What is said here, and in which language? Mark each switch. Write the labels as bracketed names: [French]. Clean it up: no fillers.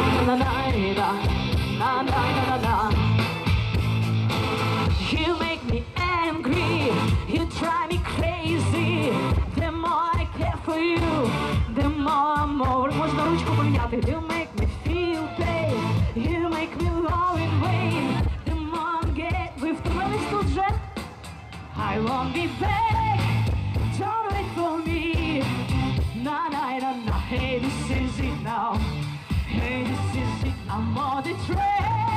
[English] най на най на You make me angry, you drive me crazy. The more I care for you, the more I'm over. [Ukrainian] Можна ручку поміняти. [English] You make me feel pain, you make me love in vain. The more I get, [Ukrainian] ви втомились тут вже? [English] I won't be back, don't wait for me. На най на на, hey, this is it now. Hey, this is it, I'm on the track.